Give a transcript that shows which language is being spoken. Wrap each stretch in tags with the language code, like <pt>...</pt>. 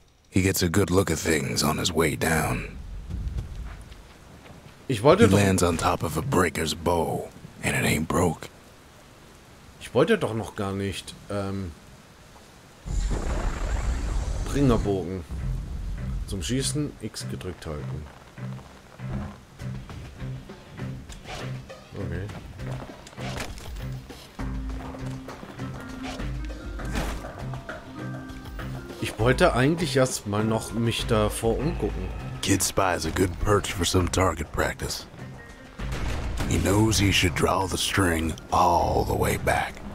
<en>He gets a good look at things on his way down.</en> <de>Ich wollte doch...</de> <en>He lands on top of a breaker's bow, and it ain't broke.</en> <de>Ich wollte doch noch gar nicht, Bringerbogen. Zum Schießen X gedrückt halten. Okay. Ich wollte eigentlich erstmal noch mich davor umgucken.</de> <en>Kid spies a good perch for some target practice. He knows he should draw the string all the way back.</en>